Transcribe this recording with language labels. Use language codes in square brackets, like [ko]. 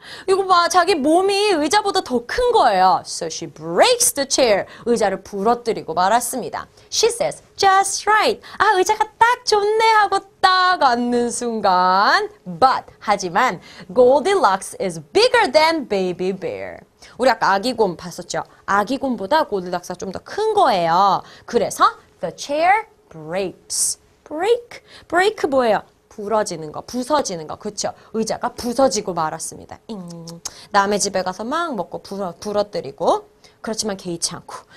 [ko] 이거 봐, 자기 몸이 의자보다 더큰 거예요. [en] So she breaks the chair. [ko] 의자를 부러뜨리고 말았습니다. [en] She says, just right. [ko] 아, 의자가 딱 좋네 하고 딱 앉는 순간. [en] But, [ko] 하지만, [en] Goldilocks is bigger than baby bear. [ko] 우리 아까 아기 곰 봤었죠? 아기 곰보다 골디락스가 좀더큰 거예요. [en] 그래서, the chair breaks. break? break [ko] 뭐예요? 부러지는 거, 부서지는 거, 그쵸? 의자가 부서지고 말았습니다. 남의 집에 가서 막 먹고 부러뜨리고. 그렇지만 개의치 않고.